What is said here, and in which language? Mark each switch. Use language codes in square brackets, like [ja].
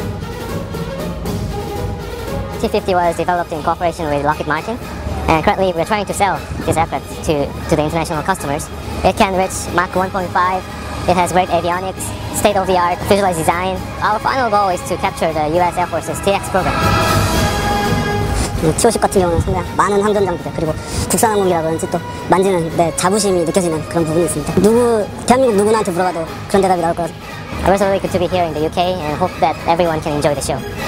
[en] 50 was developed in cooperation with Lockheed Martin, and currently we are trying to sell this aircraft to the international customers. It can reach Mach 1.5, it has great avionics, state-of-the-art visualized design. Our final goal is to capture the US Air Force's TX program. [ko] T-50 같은 경우는 상당히 많은 항전 장비들 그리고 국산 항공기라고 이제 또 만지는 내 자부심이 느껴지는 그런 부분이 있습니다. 대한민국 누구나한테 물어봐도 그런 대답이 나올 거라서. [en] I'm also really good to be here in the UK and hope that everyone can enjoy the show.